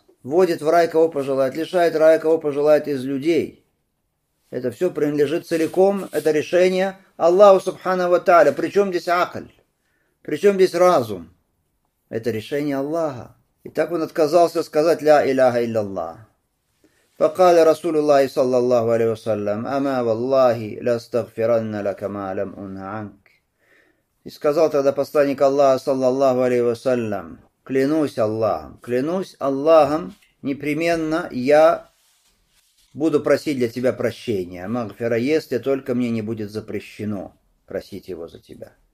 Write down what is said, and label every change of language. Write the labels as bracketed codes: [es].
[ru] Вводит в рай, кого пожелает, лишает рая, кого пожелает из людей. Это все принадлежит целиком, это решение Аллаху Субхана ва Тааля. Причем здесь акль? Причем здесь разум? Это решение Аллаха. И так он отказался сказать «Ля иляха илляллах». [ar] فقال رسول الله صلى الله عليه وسلم أما والله لا استغفرن لك ما لم أنه عنك. [ru] И сказал тогда посланник Аллаха [ar] صلى الله عليه وسلم [ru] клянусь Аллахом, непременно я буду просить для тебя прощения. Магфира, если только мне не будет запрещено просить его за тебя.